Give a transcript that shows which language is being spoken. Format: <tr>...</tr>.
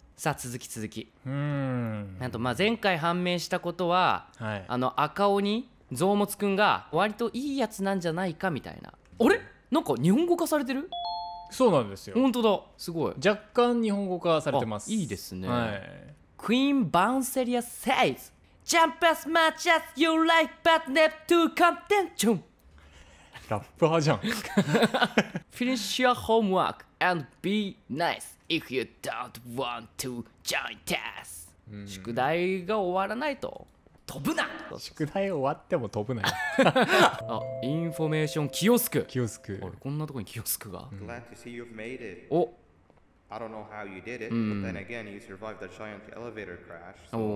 <ja>さあ続きなんと、まあ前回判明したことは、はい、あの赤鬼ゾウモツくんが割といいやつなんじゃないかみたいな。あれなんか日本語化されてる。そうなんですよ。本当だ、すごい。若干日本語化されてます。あ、いいですね、はい、</ja> <en>クイーンバウンセリア says Jump as much as you like but never too contention。</en> <ja>ラッパーじゃん。</ja> <en>Finish your homework and be niceIf you don't want to join us、</en> <ja>うん、宿題が終わらないと飛ぶな。宿題終わっても飛ぶなよ。あ、インフォメーションキオスク。キオスク、あれ、こんなとこにキオスクが。</ja> <en>Glad to see you've made it.</en> <ja>お、</ja> <en>I don't know how you did it、うん、but then again you survived the giant elevator crash、 so、</en>